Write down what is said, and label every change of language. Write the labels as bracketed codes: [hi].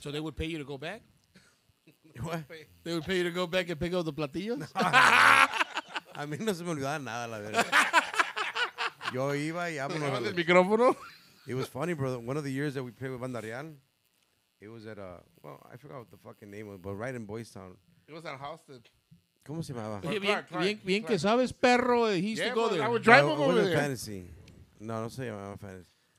[en] So they would pay you to go back? What? They would pay you to go back and pick up the platillos? No. [es] A mí no se me olvidaba nada, la verdad. Yo iba y hablo. ¿Dónde el micrófono? [en] It was funny, bro. One of the years that we played with Banda Real, it was at, I forgot what the fucking name was, but right in Boys Town. It was at Houston. [es] ¿Cómo se llamaba? Bien que sabes, perro. [en] He used to go there. I would drive him over there. Fantasy. No, don't say I'm a fantasy.